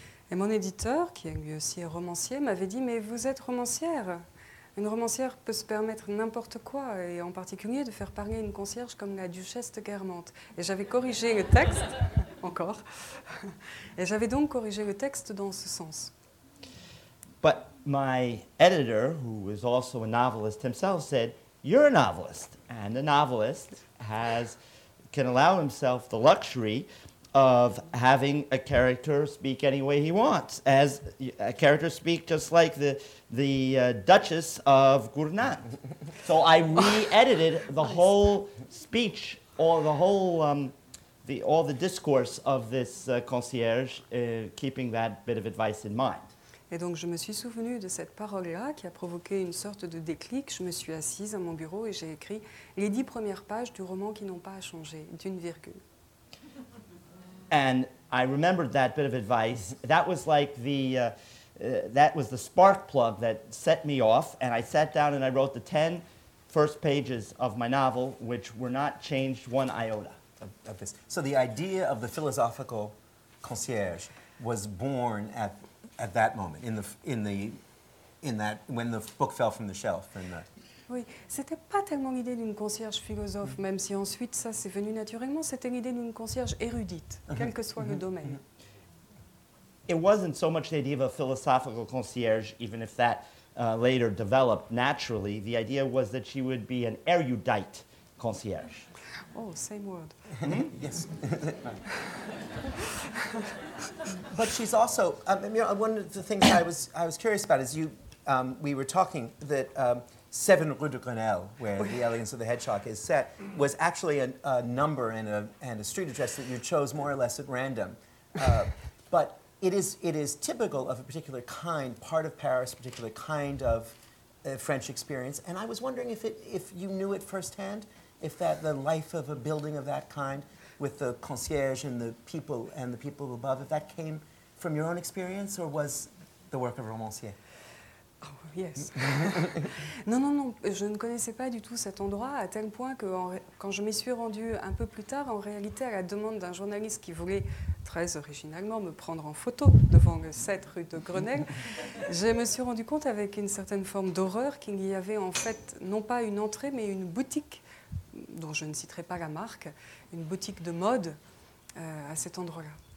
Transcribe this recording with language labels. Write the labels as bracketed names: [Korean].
[French] Et mon éditeur, qui est lui aussi romancier, m'avait dit « Mais vous êtes romancière. Une romancière peut se permettre n'importe quoi, et en particulier de faire parler une concierge comme la duchesse de Guermantes. » Et j'avais corrigé le texte, encore, et j'avais donc corrigé le texte dans ce sens. [English] But my editor, who is also a novelist himself, said « You're a novelist, and a novelist can allow himself the luxury of having a character speak any way he wants, as a character speak just like the Duchess of Gournay. So I re-edited the whole speech, all the discourse of this concierge, keeping that bit of advice in mind. [French] Et donc je me suis souvenu de cette parole-là qui a provoqué une sorte de déclic. Je me suis assise à mon bureau et j'ai écrit les 10 premières pages du roman qui n'ont pas à changer, d'une virgule. [English] And I remembered that bit of advice. That was like that was the spark plug that set me off. And I sat down and I wrote the 10 first pages of my novel, which were not changed one iota of this. So the idea of the philosophical concierge was born at that moment, when the book fell from the shelf. [French] Oui, c'était pas tellement l'idée d'une concierge philosophe, même si ensuite ça s'est venu naturellement, c'était l'idée d'une concierge érudite, quel que soit le domaine. [English] It wasn't so much the idea of a philosophical concierge, even if that later developed naturally, the idea was that she would be an erudite concierge. Oh, same word. Mm-hmm. Yes. But she's also, one of the things I was curious about is we were talking that 7 Rue de Grenelle, where the Elegance of the Hedgehog is set, was actually a number and a street address that you chose more or less at random. But it is typical of a particular kind, part of Paris, a particular kind of French experience. And I was wondering if you knew it firsthand, if that the life of a building of that kind, with the concierge and the people above, if that came from your own experience or was the work of romancier? Oh, yes. [French] Non, je ne connaissais pas du tout cet endroit à tel point que quand je m'y suis rendue un peu plus tard, en réalité, à la demande d'un journaliste qui voulait très originalement me prendre en photo devant le 7 rue de Grenelle, je me suis rendue compte avec une certaine forme d'horreur qu'il y avait en fait non pas une entrée mais une boutique, dont je ne citerai pas la marque, une boutique de mode à cet endroit-là.